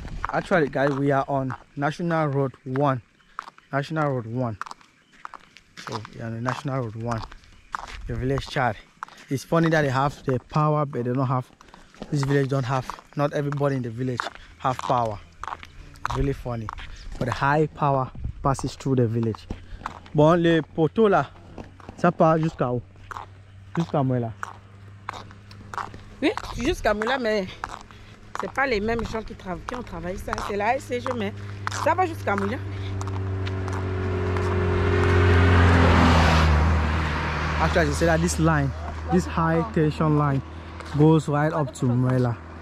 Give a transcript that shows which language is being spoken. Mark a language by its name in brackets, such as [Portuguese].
[English] Actually, guys, we are on National Road 1. National Road 1. So, we are on National Road 1. The village Tchad. It's funny that they have the power, but they don't have, this village don't have, not everybody in the village have power. Really funny. But the high power passes through the village. [French] Bon, le poteau là, ça part jusqu'à où? Jusqu'à moi là. Oui, jusqu'à moi là, mais c'est pas les mêmes gens qui ont travaillé ça. C'est la SCG, mais ça va jusqu'à moi là. [English] After you say that this line, this high tension line goes right up to Muela.